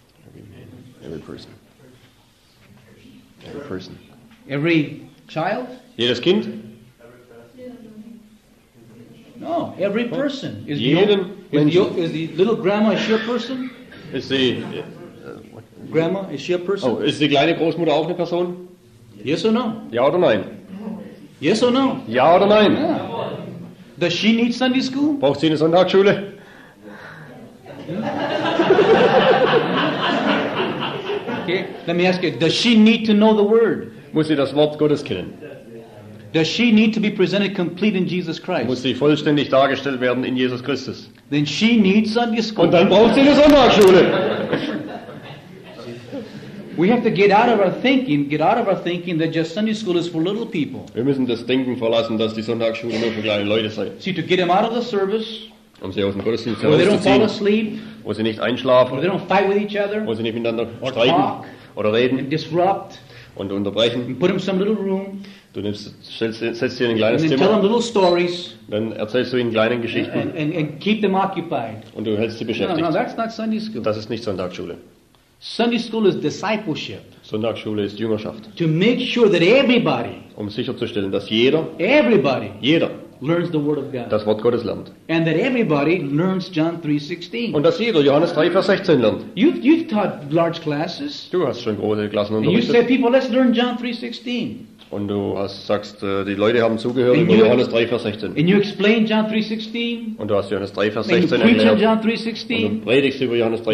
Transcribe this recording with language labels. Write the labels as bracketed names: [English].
[English] Every man. Every person. Every person. Every child? [German] Jedes Kind? [English] No, every person. [German] Is jeden the, Mensch. [English] Is the little grandma a sure person? Is the grandma, is she a person? [German] Oh, ist die kleine Großmutter auch eine Person? [English] Yes or no? [German] Ja oder nein? [English] Yes or no? [German] Ja oder nein? [English] Yeah. Does she need Sunday school? [German] Braucht sie eine Sonntagsschule? [English] Okay, let me ask you, does she need to know the word? [German] Muss sie das Wort Gottes kennen? [English] Does she need to be presented complete in Jesus Christ? [German] Muss sie vollständig dargestellt werden in Jesus Christus? [English] Then she needs Sunday school. [German] Und dann braucht sie eine Sonntagsschule. [English] We have to get out of our thinking, get out of our thinking that just Sunday school is for little people. [German] Wir müssen das Denken verlassen, dass die Sonntagsschule nur für kleine Leute sei. [English] See, to get them out of the service, [German] um sie aus dem Gottesdienst herauszuziehen, [English] asleep, [German] wo sie nicht einschlafen, [English] they don't fight with each other, [German] wo sie nicht miteinander streiten [English] talk, [German] oder reden [English] and disrupt, [German] und unterbrechen. [English] And put them some little room, [German] du nimmst, setzt sie in ein kleines [English] and [German] Zimmer, [English] tell them little stories, [German] dann erzählst du ihnen kleine Geschichten [English] and keep them occupied. [German] Und du hältst sie beschäftigt. [English] No, that's not Sunday school. [German] Das ist nicht Sonntagsschule. [English] Sunday school is discipleship. [German] Sonntagsschule ist Jüngerschaft. [English] To make sure that everybody, [German] um sicherzustellen, dass jeder, [English] everybody, [German] jeder, [English] learns the word of God. [German] Das Wort Gottes lernt. [English] And that everybody learns John 3:16. [German] Und dass jeder Johannes 3, Vers 16 lernt. [English] You've taught large classes. [German] Du hast schon große Klassen [English] and [German] unterrichtet. [English] You say, people, let's learn John 3:16. [German] Und du hast, sagst, die Leute haben zugehört über Johannes 3, Vers 16. [English] And you explain John 3:16. [German] Und du hast Johannes 3, Vers 16 erklärt. [English] And you preach on John 3:16. [German] Und du predigst über Johannes 3,